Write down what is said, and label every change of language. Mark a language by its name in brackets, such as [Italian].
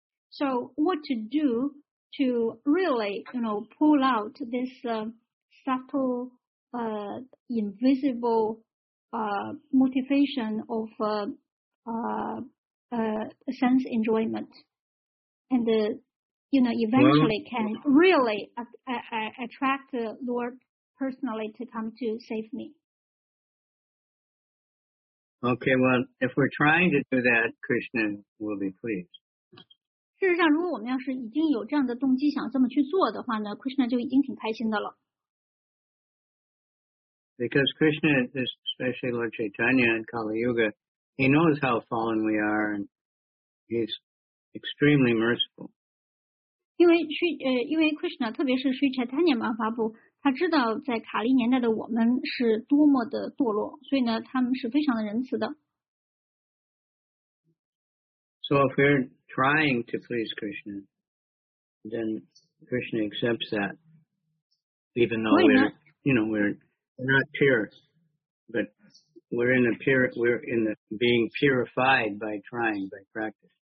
[English] So, what to do to really, you know, pull out this subtle, invisible motivation of sense enjoyment, and you know, eventually can really attract the Lord. Personally, to come to save me. Okay, well, if we're trying to do that, Krishna will be pleased. [Chinese] 事实上，如果我们要是已经有这样的动机想这么去做的话呢 ，Krishna 就已经挺开心的了。 [English] Because Krishna, especially Lord Chaitanya and Kali Yuga, he knows how fallen we are, and he's extremely merciful. [Chinese] 因为 Krishna, 特别是 Sri Chaitanya Mahaprabhu。他知道在卡利年代的我们是多么的堕落，所以呢，他们是非常的仁慈的。 [English] So if we're trying to please Krishna, then Krishna accepts that, even though we're not pure, but we're being purified by trying, by practice.